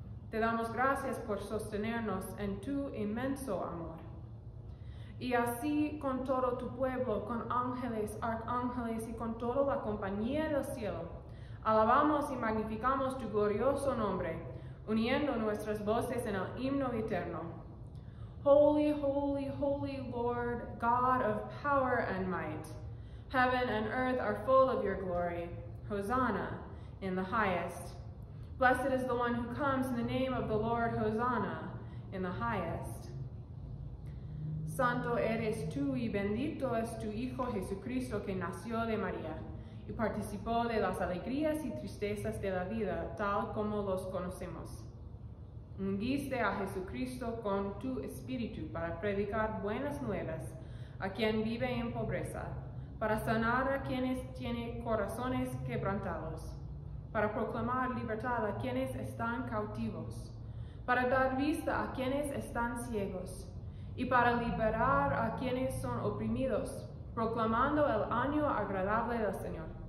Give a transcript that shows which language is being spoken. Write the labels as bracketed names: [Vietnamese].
[Spanish] Te damos gracias por sostenernos en tu inmenso amor. Y así con todo tu pueblo, con ángeles, arcángeles y con toda la compañía del cielo, alabamos y magnificamos tu glorioso nombre, uniendo nuestras voces en el himno eterno. [English] Holy, holy, holy Lord, God of power and might, heaven and earth are full of your glory. Hosanna in the highest. Blessed is the one who comes in the name of the Lord. Hosanna in the highest. [Spanish] Santo eres tú y bendito es tu Hijo Jesucristo que nació de María y participó de las alegrías y tristezas de la vida tal como los conocemos. Ungiste a Jesucristo con tu Espíritu para predicar buenas nuevas a quien vive en pobreza, para sanar a quienes tienen corazones quebrantados, para proclamar libertad a quienes están cautivos, para dar vista a quienes están ciegos, y para liberar a quienes son oprimidos, proclamando el año agradable del Señor.